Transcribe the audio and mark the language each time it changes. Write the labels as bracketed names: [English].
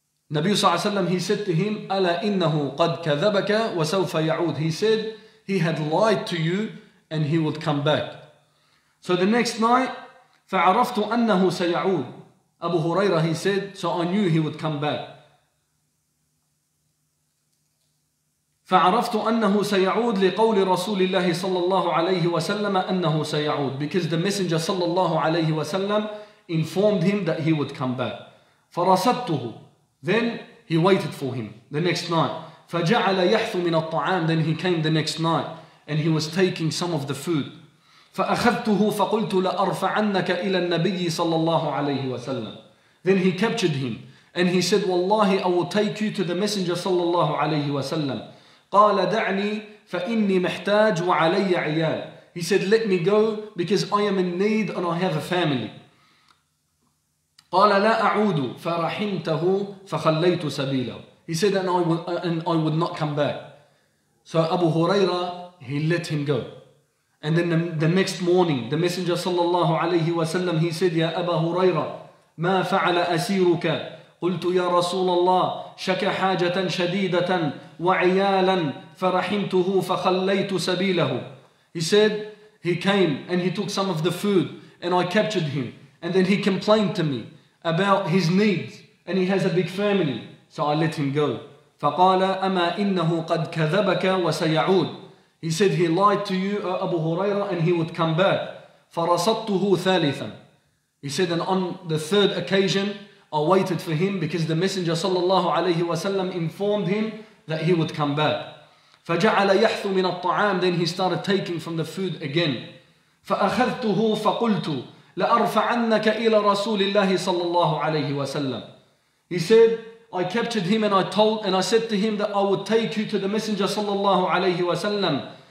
[Arabic] النبي صلى الله عليه وسلم, [English] he said to him, [Arabic] ألا إنه قد كذبك وسوف يعود. [English] He said he had lied to you and he would come back. So the next night, [Arabic] فعرفت أنه سيعود. [English] أبو هريرة, he said, so I knew he would come back. [Arabic] فعرفت أنه سيعود لقول رسول الله صلى الله عليه وسلم أنه سيعود, [English] because the messenger صلى الله عليه وسلم informed him that he would come back. [Arabic] فرصدته, [English] then he waited for him the next night. [Arabic] فجعل يحث من الطعام, [English] then he came the next night and he was taking some of the food. [Arabic] فأخذته فقلت لأرفعنك إلى النبي صلى الله عليه وسلم. [English] Then he captured him and he said, والله I will take you to the messenger صلى الله عليه وسلم. [Arabic] قال دعني فإني محتاج وعلي عيال. [English] He said, let me go because I am in need and I have a family. [Arabic] قال لا أعود فرحمته فخليت سبيله. [English] He said, and I would not come back. So Abu Huraira, he let him go. And then the next morning, the messenger صلى الله عليه وسلم, he said, [Arabic] يا أبا هريرة ما فعل أسيرك؟ قلت يا رسول الله شكى حاجة شديدة وعيالا فرحمته فخليت سبيله. [English] He said, he came and he took some of the food and I captured him. And then he complained to me about his needs and he has a big family. So I let him go. [Arabic] فقال أما إنه قد كذبك وسيعود. [English] He said he lied to you, Abu Huraira, and he would come back. [Arabic] فرصدته ثالثا. [English] He said, and on the third occasion, I waited for him because the messenger صلى الله عليه وسلم informed him that he would come back. [Arabic] فجعل يحث من الطعام. [English] Then he started taking from the food again. [Arabic] فأخذته فقلت لأرفعنك إلى رسول الله صلى الله عليه وسلم. [English] He said, I captured him and I said to him that I would take you to the messenger صلى الله عليه وسلم.